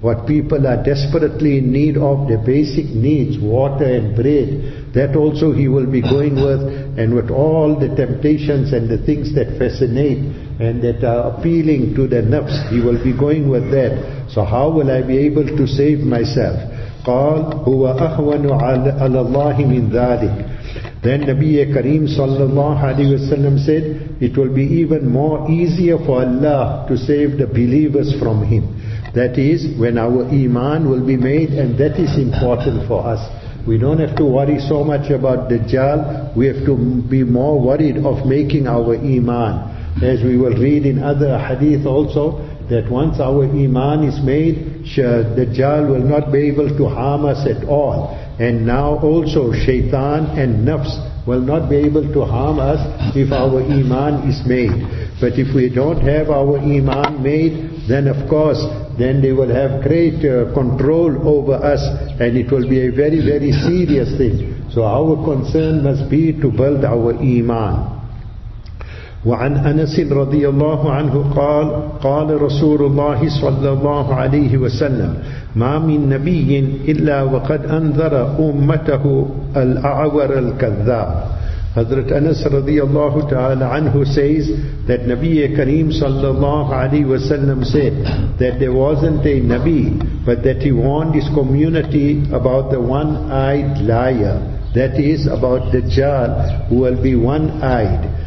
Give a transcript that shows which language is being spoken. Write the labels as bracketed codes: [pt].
[en] What people are desperately in need of, their basic needs, water and bread, that also he will be going with, and with all the temptations and the things that fascinate and that are appealing to the nafs, he will be going with that. So how will I be able to save myself? [ar] قال هو أهون على الله من ذلك. [en] Then Nabiya Kareem sallallahu alayhi wa sallam said, it will be even more easier for Allah to save the believers from him. That is, when our iman will be made, and that is important for us. We don't have to worry so much about Dajjal, we have to be more worried of making our iman. As we will read in other hadith also, that once our iman is made, Dajjal will not be able to harm us at all. And now also shaitan and nafs will not be able to harm us if our iman is made. But if we don't have our iman made, then of course, then they will have great control over us, and it will be a very, very serious thing. So our concern must be to build our iman. [ar] وعن أنس رضي الله عنه قال قال رسول الله صلى الله عليه وسلم ما من نبي إلا وقد أنذر أمته الأعور الكذاب. [en] Hazrat Anas [ar] رضي الله تعالى عنه [en] says that Nabi Kareem [ar] صلى الله عليه وسلم [en] said that there wasn't a Nabi, but that he warned his community about the one-eyed liar, that is about Dajjal, who will be one-eyed.